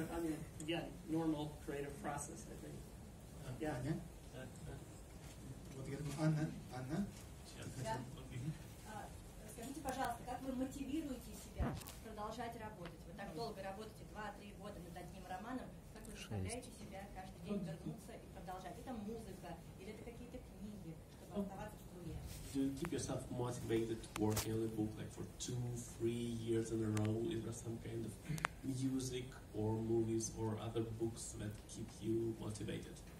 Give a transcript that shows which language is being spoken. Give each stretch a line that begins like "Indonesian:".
English: I mean, again, normal creative process, I think. Yeah.
Russian: Вот я думаю, Анна, Анна. Скажите, пожалуйста, как вы мотивируете себя продолжать работать? Вы так долго работаете, 2-3 года над одним романом, как вы заставляете себя каждый день вернуться и продолжать? Это музыка или это какие-то книги, чтобы оставаться в струе?
English: Do you keep yourself motivated to work on a book like for 2-3 years in a row? Is there some kind of music or movies or other books that keep you motivated?